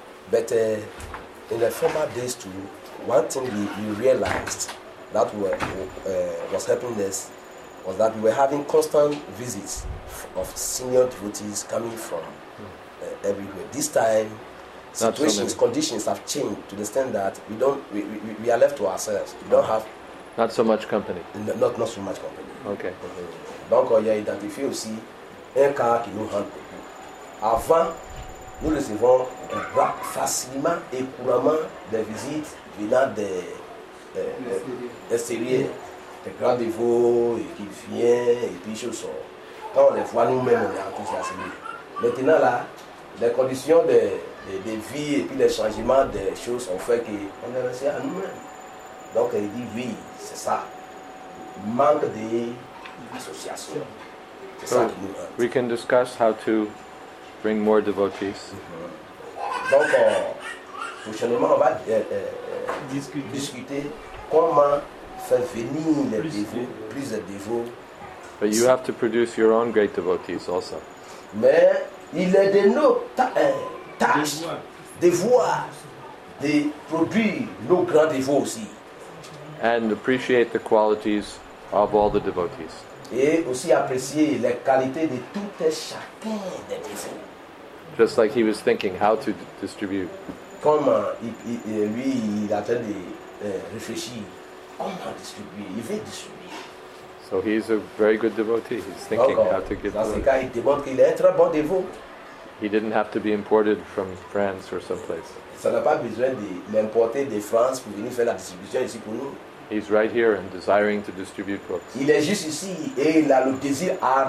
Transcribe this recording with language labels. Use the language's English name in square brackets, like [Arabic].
[English] But in the former days too, one thing we realized that was helping us was that we were having constant visits of senior devotees coming from everywhere. This time, situations, so conditions have changed to the extent that we are left to ourselves. We don't have... Not so much company. Not so much company. Okay. [French] Donc, il y a identifié aussi un cas qui nous rend beaucoup. Avant, nous recevons facilement et couramment des visites venant des extérieurs, des grands dévots et qui viennent et puis je sors. Quand on les voit nous-mêmes, on est enthousiasmé. Maintenant là, les conditions de vie et puis les changements des choses ont fait qu'on est resté à nous-mêmes. Donc il dit oui, c'est ça. Manque d'association. C'est ça qui nous manque. [English] We can discuss how to bring more devotees. [French] Donc, prochainement, on va discuter comment faire venir les dévots, plus de dévots. [English] But you have to produce your own great devotees also. [French] Mais il est de nos tâches de voir de produire nos grands dévots aussi. [English] And appreciate the qualities of all the devotees. [French] Et aussi apprécier les qualités de tout et chacun des dévots. [English] Just like he was thinking how to distribute. [French] Comme lui, il est en train de réfléchir. Comment distribuer? Il veut distribuer. [English] So he's a very good devotee. He's thinking [French] donc, [English] how to give [French] dans ce cas, il démontre qu'il est un très bon dévot. [English] He didn't have to be imported from France or someplace. [French] Ça n'a pas besoin de l'importer de France pour venir faire la distribution ici pour nous. [English] He's right here and desiring to distribute books. [French] Il est juste ici et il a le désir ardent.